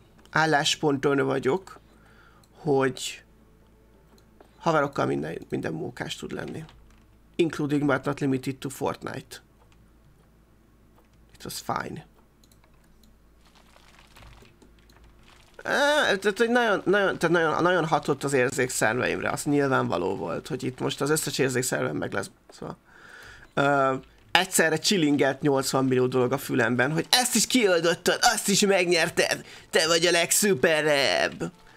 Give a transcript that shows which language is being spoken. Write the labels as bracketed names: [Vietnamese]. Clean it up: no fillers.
[Hungarian] Állásponton vagyok, hogy haverokkal minden mókás tud lenni. [English] Including but not limited to Fortnite. It was fine. [Hungarian] Nagyon hatott az érzékszerveimre, az nyilvánvaló volt, hogy itt most az összes érzékszervem meg lesz. Szóval. Egyszerre csilingelt 80 millió dolog a fülemben, hogy ezt is kioldottad, azt is megnyerted, te vagy a legszuperebb.